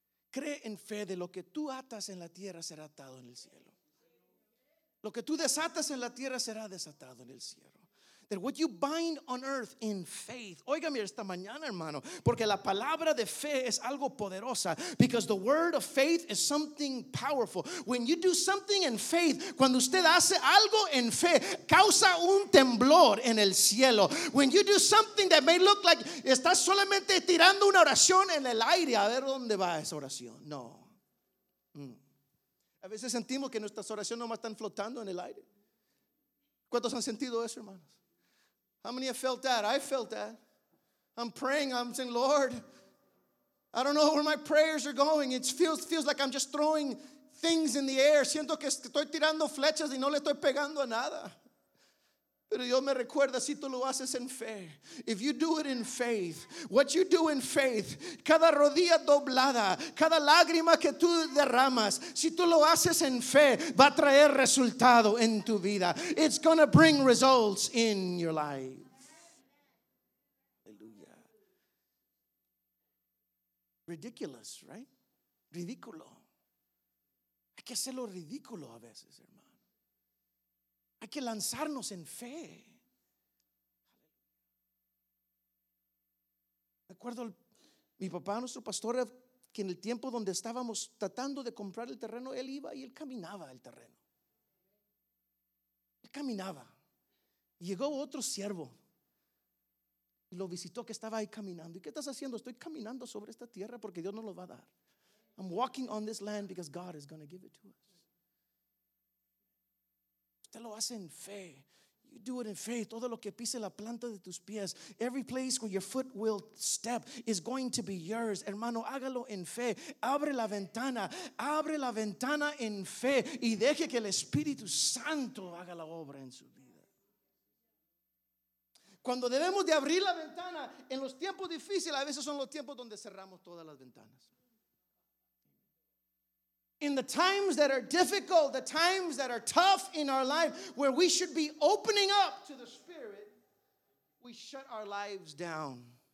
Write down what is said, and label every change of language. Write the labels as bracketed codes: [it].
[es] Cree en fe de lo que tú atas en la tierra será atado en el cielo. Lo que tú desatas en la tierra será desatado en el cielo. [en] That what you bind on earth in faith. [es] Óigame esta mañana, hermano, porque la palabra de fe es algo poderosa. [en] Because the word of faith is something powerful. When you do something in faith, [es] cuando usted hace algo en fe, causa un temblor en el cielo. [en] When you do something that may look like [es] estás solamente tirando una oración en el aire, a ver dónde va esa oración. No. A veces sentimos que nuestras oraciones nomás están flotando en el aire. ¿Cuántos han sentido eso, hermanos? [en] How many have felt that? I felt that. I'm praying. I'm saying, Lord, I don't know where my prayers are going. It feels like I'm just throwing things in the air. [es] Siento que estoy tirando flechas y no le estoy pegando a nada. Pero Dios me recuerda, si tú lo haces en fe. [en] If you do it in faith, [es] what you do in faith, cada rodilla doblada, cada lágrima que tú derramas, si tú lo haces en fe, va a traer resultado en tu vida. [en] It's going to bring results in your life. [es] Aleluya. [en] Ridiculous, right? [es] Ridículo. Hay que hacerlo ridículo a veces, hermano. Hay que lanzarnos en fe. Recuerdo mi papá, nuestro pastor, que en el tiempo donde estábamos tratando de comprar el terreno, él iba y él caminaba el terreno. Él caminaba. Llegó otro siervo y lo visitó que estaba ahí caminando. ¿Y qué estás haciendo? Estoy caminando sobre esta tierra porque Dios nos lo va a dar. [en] I'm walking on this land because God is going to give it to us. [es] Te lo hace en fe. [en] You do it in faith. [es] Todo lo que pise la planta de tus pies, [en] every place where your foot will step is going to be yours. [es] Hermano, hágalo en fe. Abre la ventana en fe y deje que el Espíritu Santo haga la obra en su vida. Cuando debemos de abrir la ventana en los tiempos difíciles, a veces son los tiempos donde cerramos todas las ventanas. [en] In the times that are difficult, the times that are tough in our life, where we should be opening up to the Spirit, we shut our lives down.